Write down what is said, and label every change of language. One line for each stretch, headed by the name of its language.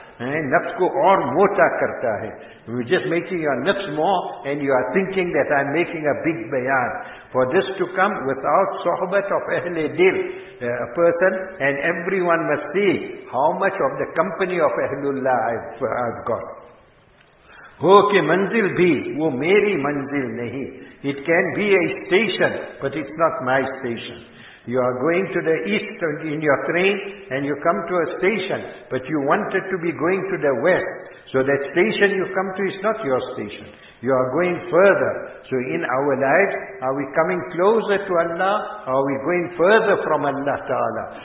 Urdu: Nafs ko aur mota karta hai.
English: You're just making your nafs more, and you are thinking that I'm making a big bayan. For this to come without sohbat of Ahle Dil, a person, and everyone must see how much of the company of Ahlullah I've got.
Urdu: ہو کہ منزل بھی وہ میری منزل نہیں.
English: It can be a station, but it's not my station. You are going to the east in your train and you come to a station, but you wanted to be going to the west. So that station you come to is not your station. You are going further. So in our lives, are we coming closer to Allah or are we going further from Allah Ta'ala?